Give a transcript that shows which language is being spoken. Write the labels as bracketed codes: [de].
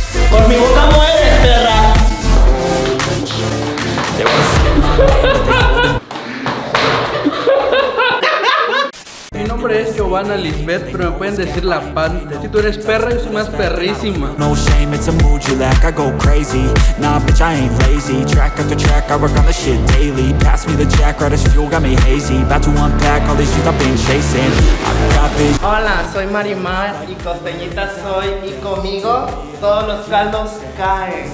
[es] Por mi boca mueres, perra. Giovanna Lisbeth, pero me pueden decir la Panther. Si tú eres perra, yo soy más perrísima. [en] No shame, it's a mood you lack, I go crazy. Nah, bitch, I ain't lazy. Track after track, I work on the shit daily. Pass me the jack, right as fuel, got me hazy. About to unpack all these shit I've been chasing. [es] Hola, soy Marimar, y costeñita soy, y conmigo todos los caldos caen.